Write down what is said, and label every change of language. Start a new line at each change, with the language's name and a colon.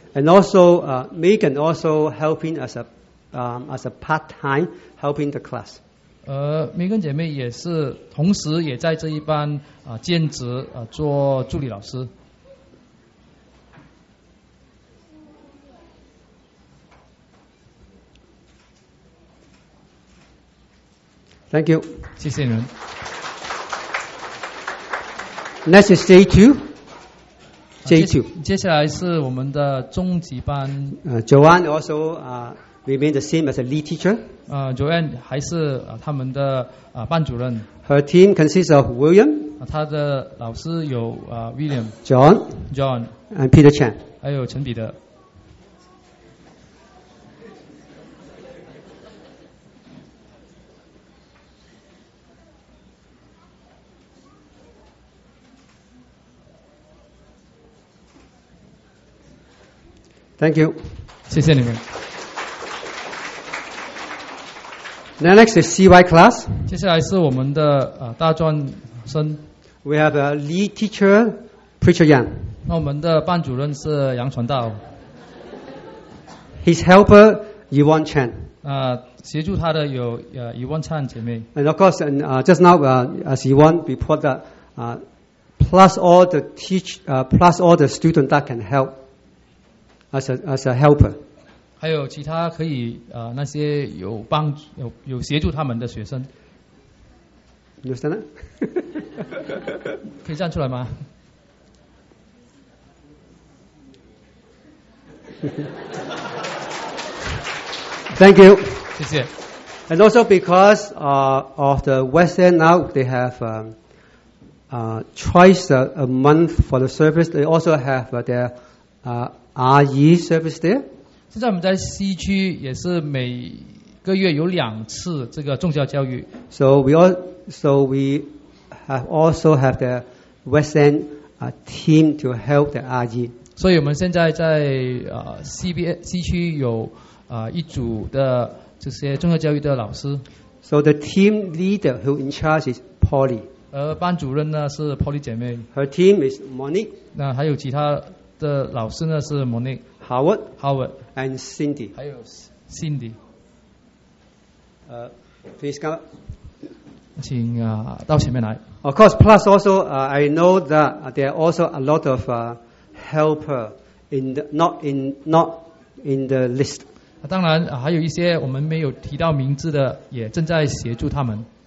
English: And also Megan also helping as a part-time helping the class.
Chinese: 梅根姐妹也是同时也在这一班兼职做助理老师。
English: Thank you.
Chinese: 谢谢您.
English: Next is J2. J2.
Chinese: 接下来是我们的中级班.
English: Joanne also remain the same as a lead teacher.
Chinese: Joanne 还是他们的班主任.
English: Her team consists of William.
Chinese: 她的老师有 William.
English: John.
Chinese: John.
English: And Peter Chan.
Chinese: 还有陈彼得.
English: Thank you.
Chinese: 谢谢你们.
English: Now next is CY class.
Chinese: 接下来是我们的大专生.
English: We have a lead teacher, Preacher Yang.
Chinese: 那我们的班主任是杨传道.
English: His helper, Yvonne Chan.
Chinese: 协助他的有 Yvonne Chan 姐妹.
English: And of course, just now, as Yvonne reported that, plus all the students that can help. As a helper.
Chinese: 还有其他可以那些有帮助有协助他们的学生。
English: understand that?
Chinese: 可以站出来吗?
English: Thank you.
Chinese: 谢谢.
English: And also because of the Western now, they have twice a month for the service. They also have their RE service there.
Chinese: 现在我们在西区也是每个月有两次这个宗教教育.
English: So we also have the West End team to help the RE.
Chinese: 所以我们现在在 西区有一组的这些宗教教育的老师.
English: So the team leader who in charge is Polly.
Chinese: 而班主任呢是 Polly 姐妹.
English: Her team is Monique.
Chinese: 那还有其他的老师呢是 Monique.
English: Howard.
Chinese: Howard.
English: And Cindy.
Chinese: 还有 Cindy.
English: Please come up.
Chinese: 请, 到前面来。
English: Of course, plus also, I know that there are also a lot of helper not in the list.
Chinese: 当然, 还有一些我们没有提到名字的, 也正在协助他们。